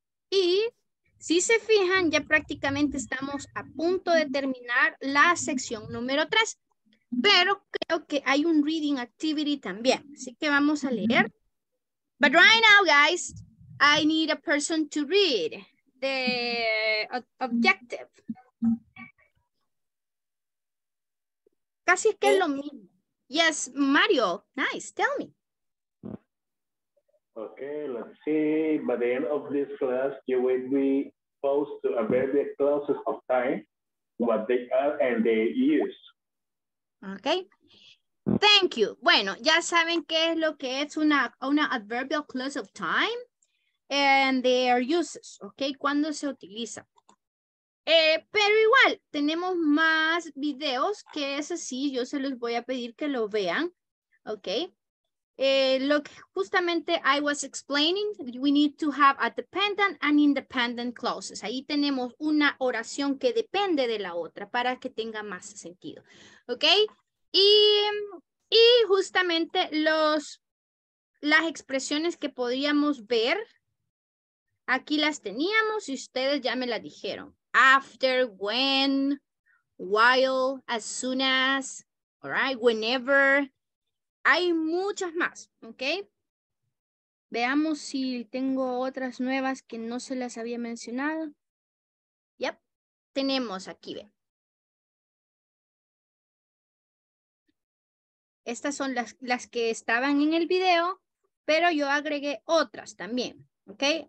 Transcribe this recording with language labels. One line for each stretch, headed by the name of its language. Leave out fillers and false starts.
Spanish: Y si se fijan, ya prácticamente estamos a punto de terminar la sección número 3, pero creo que hay un reading activity también, así que vamos a leer.
English: But right now, guys, I need a person to read the objective.
Spanish: Casi es que es lo mismo.
English: Yes, Mario, nice, tell me. Okay, let's see. By the end of this class, you will be exposed to a very close of time, what they are and they use. Okay. Thank you.
Spanish: Bueno, ya saben qué es lo que es una adverbial clause of time and their uses, okay? ¿Cuándo se utiliza? Pero igual, tenemos más videos que es así. Yo se los voy a pedir que lo vean, okay?
English: Look,
Spanish: justamente
English: I was explaining that we need to have a dependent and independent clauses.
Spanish: Ahí tenemos una oración que depende de la otra para que tenga más sentido. ¿Ok? Y justamente las expresiones que podríamos ver, aquí las teníamos y ustedes ya me las dijeron.
English: After, when, while, as soon as, all right, whenever.
Spanish: Hay muchas más, ¿ok? Veamos si tengo otras nuevas que no se las había mencionado. Yep, tenemos aquí, ve. Estas son las que estaban en el video, pero yo agregué otras también, ¿ok?